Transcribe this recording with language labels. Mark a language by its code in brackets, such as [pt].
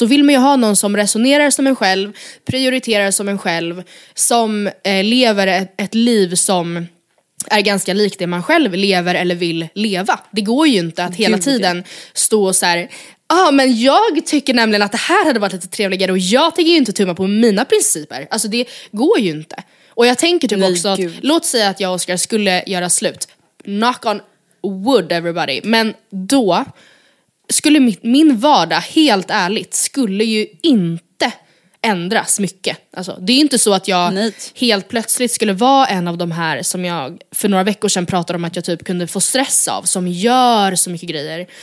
[sv] Då vill man ju ha någon som resonerar som en själv, prioriterar som en själv, som lever ett liv som är ganska likt det man själv lever eller vill leva. Det går ju inte att hela tiden stå och så här, men jag tycker nämligen att det här hade varit lite trevligare, och jag tänker ju inte tumma på mina principer. Alltså det går ju inte. Och jag tänker typ att, låt säga att jag och Oscar skulle göra slut. [en] Knock on wood everybody. [sv] Men då skulle min vardag, helt ärligt, skulle ju inte ändras mycket. Alltså, det är inte så att jag helt plötsligt skulle vara en av de här som jag för några veckor sedan pratade om att jag typ kunde få stress av, som gör så mycket grejer.